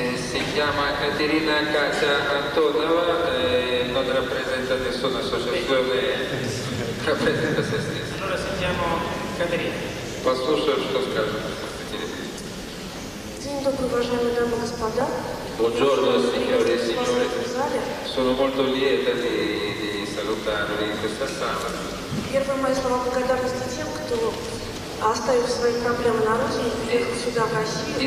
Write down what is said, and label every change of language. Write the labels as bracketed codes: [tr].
[it] Si chiama Caterina Katia Antonova, non rappresenta nessuna associazione, rappresenta se stessa. [ru] Послушаем, что скажет. День добрый, уважаемые дамы и господа. [it] Buongiorno, signore e signore. Sono molto lieta di salutarvi in questa sala. [ru] Первые мои слова благодарности тем, кто оставил свои проблемы на родине и приехал сюда, в Россию.